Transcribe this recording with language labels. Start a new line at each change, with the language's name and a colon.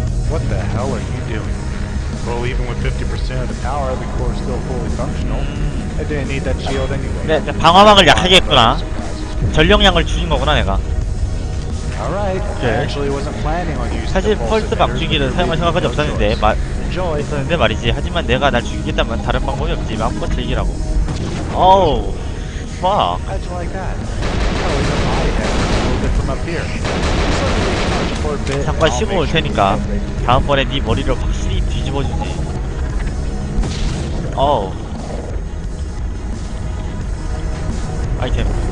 English: What the hell are you doing? Well, even with 50% of the power, the core is still fully functional. I didn't need that shield anyway.
Korean: 네, 방어막을 약하게 했구나. 전력량을 줄인 거구나, 내가.
English: All right. I actually wasn't planning on using.
Korean: 사실 펄스 박쥐기를 사용할 생각까지 없었는데 있었는데 말이지. 하지만 내가 날 죽이겠다면 다른 방법이 없지. 마음껏 즐기라고.
English: Oh, fuck. How'd you like that? That was in my head. A little bit from up here.
Korean: 잠깐 쉬고 올 테니까 다음번에 네 머리를 확실히 뒤집어주지. 어우 아이템.